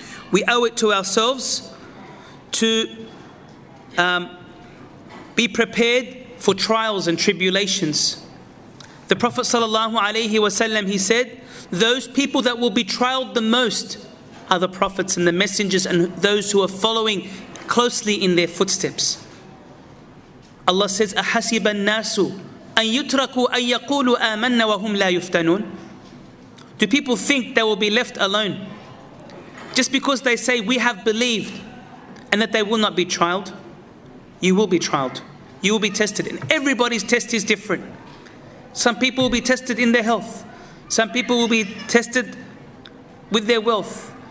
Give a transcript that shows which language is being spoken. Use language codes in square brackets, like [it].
[en] We owe it to ourselves to be prepared for trials and tribulations. The Prophet [ar] sallallahu alayhi wa sallam, [en] he said, those people that will be trialed the most are the prophets and the messengers and those who are following closely in their footsteps. Allah says, [ar] أَحَسِبَ النَّاسُ أَن يُتْرَكُوا أَن يَقُولُوا آمَنَّ وَهُمْ لَا يُفْتَنُونَ. [en] Do people think they will be left alone just because they say we have believed and that they will not be trialed? You will be trialed. You will be tested. And everybody's test is different. Some people will be tested in their health. Some people will be tested with their wealth.